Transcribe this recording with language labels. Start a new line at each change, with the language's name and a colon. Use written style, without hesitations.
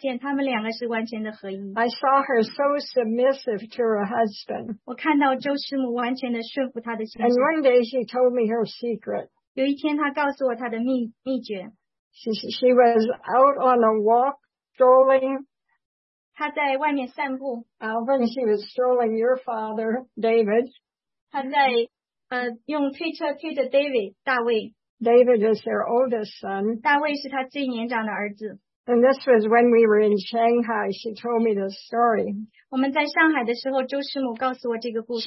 Chinese: 但我可以从他们的互动中发现，他们两个是完全的合一。
English: I saw her so submissive to her husband.
Chinese: 我看到周师母完全的顺服他的心。
English: And one day she told me her secret.
Chinese: 有一天她告诉我她的秘诀。
English: She was out on a walk. Strolling,
Chinese: 他在外面散步,
English: when she was strolling your father, David.
Chinese: 他在, 用推车推着David, 大卫,
English: David is their oldest son.
Chinese: 大卫是他最年长的儿子。
English: And this was when we were in Shanghai. She told me this story.
Chinese: 我们在上海的时候, 周师母告诉我这个故事。